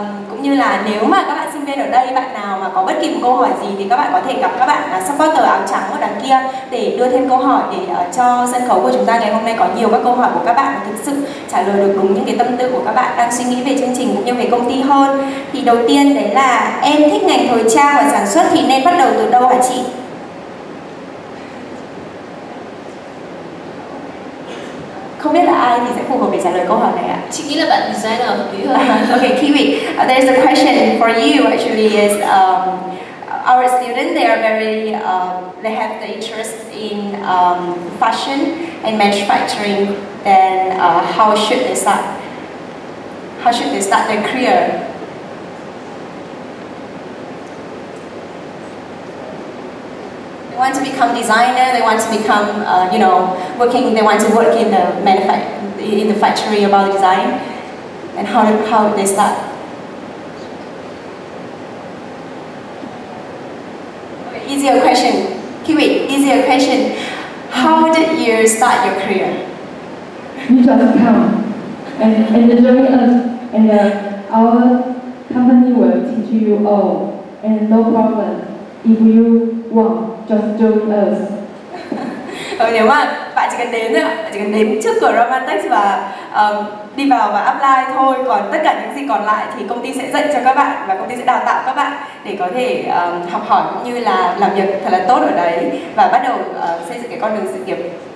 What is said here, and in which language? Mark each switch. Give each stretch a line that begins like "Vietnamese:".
Vietnamese: Cũng như là nếu mà các bạn sinh viên ở đây, bạn nào mà có bất kỳ một câu hỏi gì thì các bạn có thể gặp các bạn supporter áo trắng ở đằng kia để đưa thêm câu hỏi, để cho sân khấu của chúng ta ngày hôm nay có nhiều các câu hỏi của các bạn thực sự trả lời được đúng những cái tâm tư của các bạn đang suy nghĩ về chương trình cũng như về công ty hơn. Thì đầu tiên đấy là em thích ngành thời trang và sản xuất thì nên bắt đầu từ đâu hả chị? Không biết là ai thì sẽ phù hợp để trả lời câu hỏi này ạ? Chị nghĩ là bạn designer hợp lý hơn.
English: Okay, Kiwi, there's a question for you actually is our students, they are very they have the interest in fashion and manufacturing, then how should they start their career? They want to become designer, they want to become, you know, working, they want to work in the in the factory about design, and how they start. Okay, easier question, Kiwi, easier question. How did you start your career? You just come. and join us, and our company will teach you all, and no problem, if you want, just join us.
Vietnamese: Nếu mà bạn chỉ cần đến thôi, bạn chỉ cần đến trước cửa Romantex và đi vào và apply thôi, còn tất cả những gì còn lại thì công ty sẽ dạy cho các bạn và công ty sẽ đào tạo các bạn để có thể học hỏi cũng như là làm việc thật là tốt ở đấy và bắt đầu xây dựng cái con đường sự nghiệp.